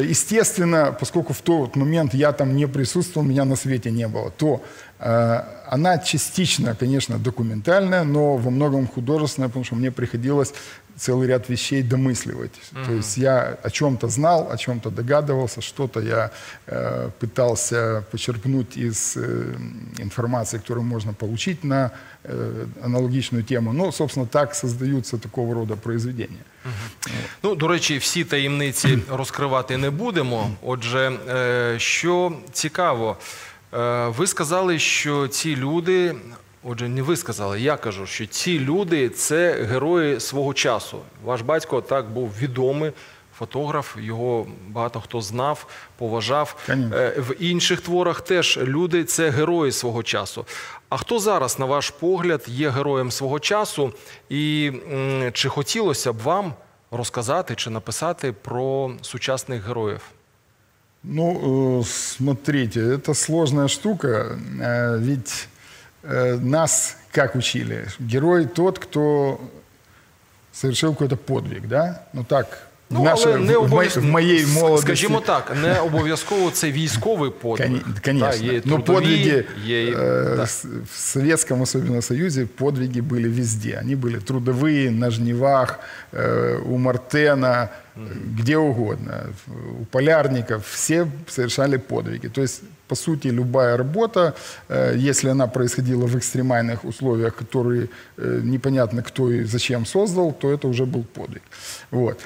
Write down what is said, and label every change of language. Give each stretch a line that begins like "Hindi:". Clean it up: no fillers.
Russian: Естественно, поскольку в тот момент я там не присутствовал, меня на свете не было, то она частично, конечно, документальная, но во многом художественная, потому что мне приходилось целый ряд вещей домысливать. То есть я о чем-то знал, о чем-то догадывался, что-то я пытался почерпнуть из информации, которую можно получить на аналогичную тему. Но, собственно, так создаются такого рода произведения.
Ukrainian: Ну, до речі, всі таємниці розкривати не будемо. Отже, що цікаво, ви сказали, що ці люди, отже, не ви сказали, я кажу, що ці люди – це герої свого часу. Ваш батько так був відомий фотограф, його багато хто знав, поважав. В інших творах теж люди – це герої свого часу. А хто зараз, на ваш погляд, є героєм свого часу? І чи хотілося б вам розказати чи написати про сучасних героїв?
Russian: Ну, смотрите, это сложная штука, ведь нас как учили? Герой тот, кто совершил какой-то подвиг, да? Ну так, ну, в моей молодости. Скажем так,
Ukrainian: не обов'язково це військовий подвиг.
Russian: Конечно, да, но подвиги в Советском особенно Союзе, подвиги были везде. Они были трудовые, на жнивах, у Мартена, где угодно, у полярников, все совершали подвиги. То есть, по сути, любая работа, если она происходила в экстремальных условиях, которые непонятно кто и зачем создал, то это уже был подвиг. Вот.